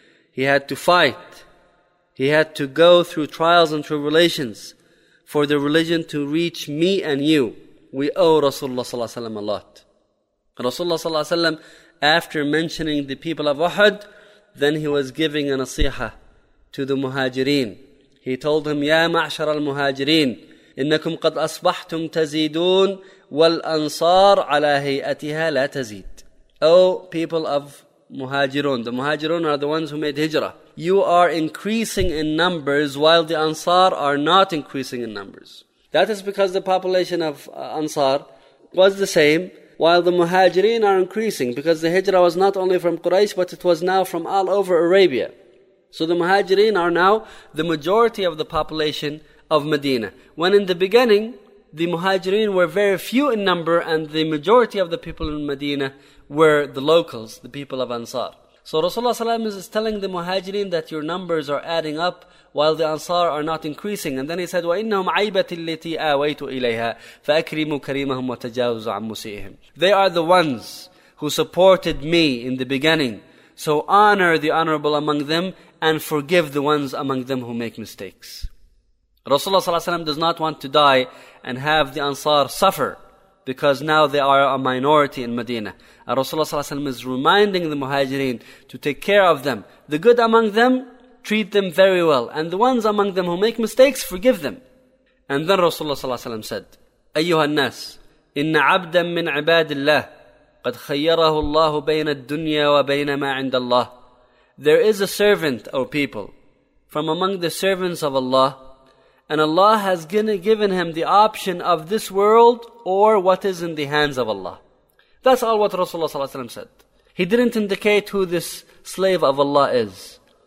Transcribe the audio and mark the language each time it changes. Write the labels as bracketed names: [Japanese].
[English] He had to fight. He had to go through trials and tribulations for the religion to reach me and you. We owe Rasulullah sallallahu alaihi wasallam a lot. Rasulullah sallallahu alaihi wasallam, after mentioning the people of Uhud, then he was giving a nasiha to the muhajirin. He told him, [Arabic] Ya ma'ashara al-muhajirin, إنكم قد أصبحتم تزيدون والأنصار على هيئتها لا تزيد. [English] Oh, people of Muhajirun. The Muhajirun are the ones who made Hijrah. You are increasing in numbers while the Ansar are not increasing in numbers. That is because the population of Ansar was the same while the Muhajirin are increasing because the Hijrah was not only from Quraysh but it was now from all over Arabia. So the Muhajirin are now the majority of the population of Medina. When in the beginning, the Muhajirin were very few in number and the majority of the people in Medina were the locals, the people of Ansar. So Rasulullah is telling the Muhajirin that your numbers are adding up while the Ansar are not increasing. And then he said, [Arabic] وَإِنَّهُمْ عَيْبَةِ الَّتِي آوَيْتُ إِلَيْهَا فَأَكْرِمُوا كَرِيمَهُمْ وَتَجَاوزُ عَمْ مُسِئِهِمْ. [English] They are the ones who supported me in the beginning. So honor the honorable among them and forgive the ones among them who make mistakes. Rasulullah sallallahu alaihi wasallam does not want to die and have the Ansar suffer because now they are a minority in Medina. And Rasulullah sallallahu alaihi wasallam is reminding the Muhajirin to take care of them. The good among them, treat them very well. And the ones among them who make mistakes, forgive them. And then Rasulullah sallallahu alaihi wasallam said, [Arabic] أَيُّهَا النَّاسِ إِنَّ عَبْدًا مِّنْ عِبَادِ اللَّهِ قَدْ خَيَّرَهُ اللَّهُ بَيْنَ الدُّنْيَا وَبَيْنَ مَا عِنْدَ اللَّهِ. [English] There is a servant, O people, from among the servants of Allah, and Allah has given him the option of this world or what is in the hands of Allah. That's all what Rasulullah ﷺ said. He didn't indicate who this slave of Allah is.